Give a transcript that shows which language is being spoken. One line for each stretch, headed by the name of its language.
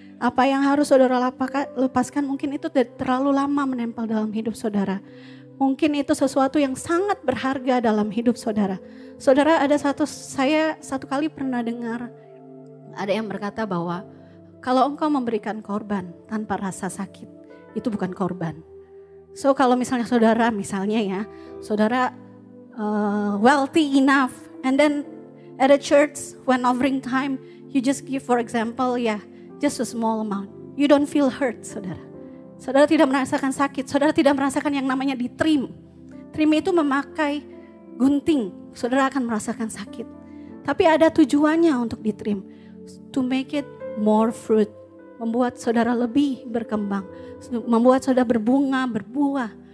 Indonesian: Apa yang harus saudara lepaskan, mungkin itu terlalu lama menempel dalam hidup saudara. Mungkin itu sesuatu yang sangat berharga dalam hidup saudara. Saudara, ada satu kali pernah dengar ada yang berkata bahwa kalau engkau memberikan korban tanpa rasa sakit, itu bukan korban. So kalau misalnya saudara
English: wealthy enough, and then at a church when offering time, you just give for example, yeah, just a small amount. You don't feel hurt, saudara.
Indonesian: Saudara tidak merasakan sakit, saudara tidak merasakan yang namanya ditrim. Trim itu memakai gunting, saudara akan merasakan sakit. Tapi ada tujuannya untuk ditrim,
English: to make it more fruit,
Indonesian: membuat saudara lebih berkembang, membuat saudara berbunga, berbuah.